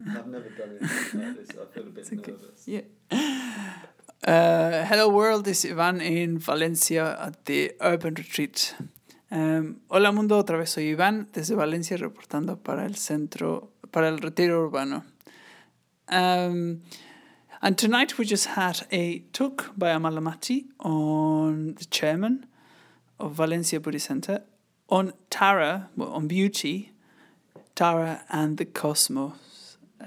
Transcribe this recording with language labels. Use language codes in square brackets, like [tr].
[en] I've never done anything like this. I feel a bit okay. nervous. Yeah. Hello world, this is Iván in Valencia at the Urban Retreat. [es] Hola mundo, otra vez soy Iván desde Valencia reportando para el centro, para el retiro urbano. [en] And tonight we just had a talk by Amal Amati on the chairman of Valencia Buddhist Center on Tara, well, on beauty, Tara and the cosmos.